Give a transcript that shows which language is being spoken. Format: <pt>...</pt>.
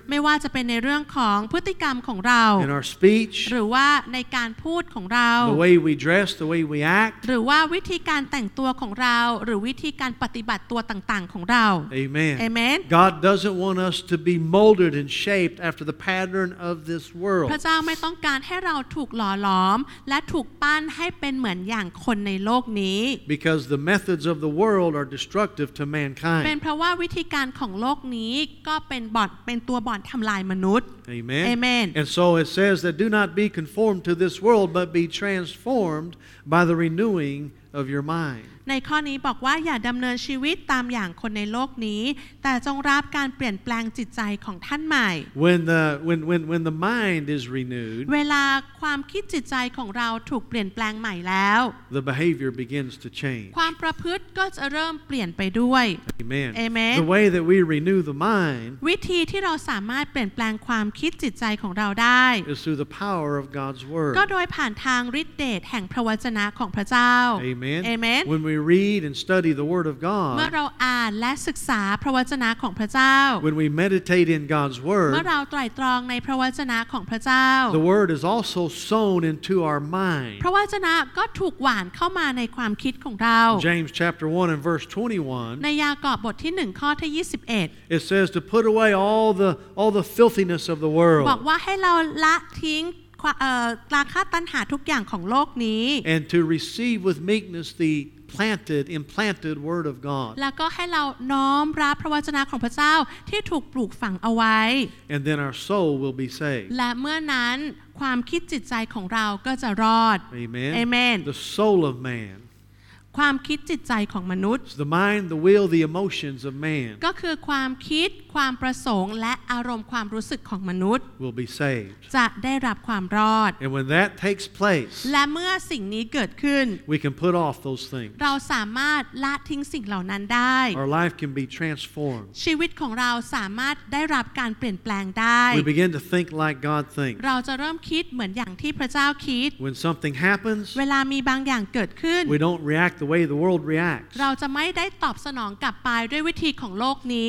<th>ไม่ว่าจะเป็นในเรื่องของพฤติกรรมของเรา</th> <en>In our speech</en> <th>หรือว่าในการพูดของเรา</th> <en>The way we dress the way we act</en> <th>หรือว่าวิธีการแต่งตัวของเราหรือวิธีการปฏิบัติตัวต่างๆของเรา</th> <en>Amen Amen God doesn't want us to be molded and shaped after the pattern of this world</en> <th>พระเจ้าไม่ต้องการให้เราถูกหล่อหลอมและถูกปั้นให้เป็นเหมือนอย่างคนในโลกนี้</th> <en>Because the methods of the world are destructive to mankind</en> <th>เป็นเพราะว่าวิธีการของโลกนี้ก็เป็นบ่อนเป็นตัวบ่อนทำลายมนุษย์</th> <en>Amen. Amen. And so it says that do not be conformed to this world but be transformed by the renewing of your mind.</en> <th>ในข้อนี้บอกว่าอย่าดำเนินชีวิตตามอย่างคนในโลกนี้แต่จงรับการเปลี่ยนแปลงจิตใจของท่านใหม่</th> <en>When the mind is renewed</en> <th>เวลาความคิดจิตใจของเราถูกเปลี่ยนแปลงใหม่แล้ว</th> <en>The behavior begins to change.</en> <th>ความประพฤติก็จะเริ่มเปลี่ยนไปด้วย</th> <en>Amen. Amen. The way that we renew the mind</en> <th>วิธีที่เราสามารถเปลี่ยนแปลงความคิดจิตใจของเราได้</th> <en>is through the power of God's word</en> <th>ก็โดยผ่านทางฤทธิ์เดชแห่งพระวจนะของพระเจ้า</th> <en>Amen. Amen. When we read and study the word of God</en> <th>เมื่อเราอ่านและศึกษาพระวจนะของพระเจ้า</th> <en>When we meditate in God's word</en> <th>เมื่อเราไตร่ตรองในพระวจนะของพระเจ้า</th> <en>The word is also sown into our mind</en> <th>พระวจนะก็ถูกหว่านเข้ามาในความคิดของเรา</th> <en>James chapter 1 and verse 21</en> <th>ในยากอบบทที่1ข้อที่21</th> <en>It says to put away all the filthiness of the word</en> <th>บอกว่าให้เราละทิ้งราคะตัณหาทุกอย่างของโลกนี้</th> <en>and to receive with meekness the implanted word of God</en> <th>แล้วก็ให้เราน้อมรับพระวจนะของพระเจ้าที่ถูกปลูกฝังเอาไว้</th> <en>and then our soul will be saved</en> <th>และเมื่อนั้นความคิดจิตใจของเราก็จะรอด</th> <en>amen amen the soul of man</en> <th>ความคิดจิตใจของมนุษย์</th> <en>the mind the will the emotions of man</en> <th>ก็คือความคิด ความประสงค์และอารมณ์ความรู้สึกของมนุษย์</th> <en>will be saved</en> <th>จะได้รับความรอด</th> <en>and when that takes place</en> <th>และเมื่อสิ่งนี้เกิดขึ้น</th> <en>we can put off those things</en> <th>เราสามารถละทิ้งสิ่งเหล่านั้นได้</th> <en>our life can be transformed</en> <th>ชีวิตของเราสามารถได้รับการเปลี่ยนแปลงได้</th> <en>we begin to think like God thinks</en> <th>เราจะเริ่มคิดเหมือนอย่างที่พระเจ้าคิด</th> <en>when something happens</en> <th>เวลามีบางอย่างเกิดขึ้น</th> <en>we don't react the way the world reacts</en> <th>เราจะไม่ได้ตอบสนองกลับไปด้วยวิธีของโลกนี</th>